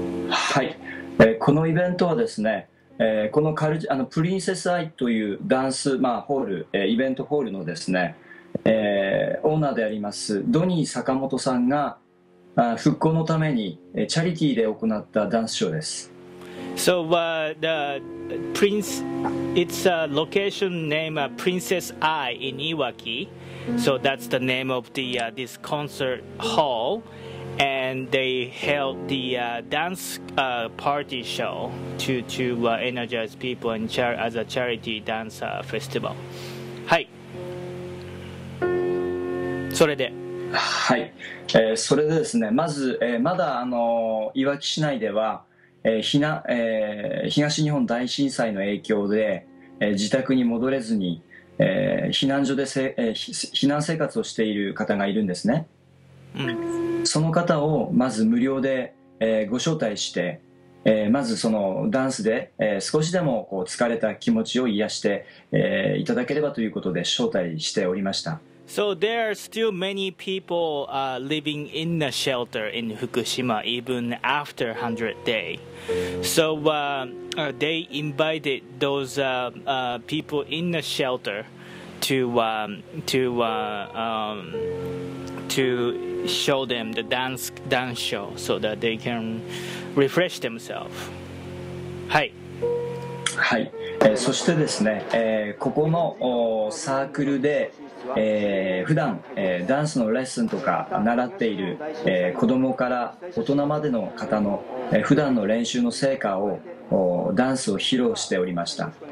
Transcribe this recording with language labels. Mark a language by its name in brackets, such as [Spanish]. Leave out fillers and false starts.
[Japanese] はい、このイベントはですね、このプリンセスアイというダンス、ホール、イベントホールのですね、オーナーでありますドニー坂本さんが復興のためにチャリティーで行ったダンスショーです。 [English] So the Prince, it's a location name of Princess Eye in Iwaki. So that's the name of the this concert hall, and they held the dance party show to energize people and as a charity dance festival. [Japanese] はい。それで。はい。それでですね。まず、まだいわき市内では、東日本大震災の影響で、自宅に戻れずに。避難所で避難生活をしている方がいるんですね、うん、その方をまず無料で、ご招待して、まずそのダンスで、少しでもこう疲れた気持ちを癒して、いただければということで招待しておりました。 [English] So there are still many people living in the shelter in Fukushima even after 100 day. So they invited those people in the shelter to show them the dance show so that they can refresh themselves. [Japanese] はい。はい。そしてですね、ここのサークルで、普段、ダンスのレッスンとか習っている、子どもから大人までの方の、普段の練習の成果をダンスを披露しておりました。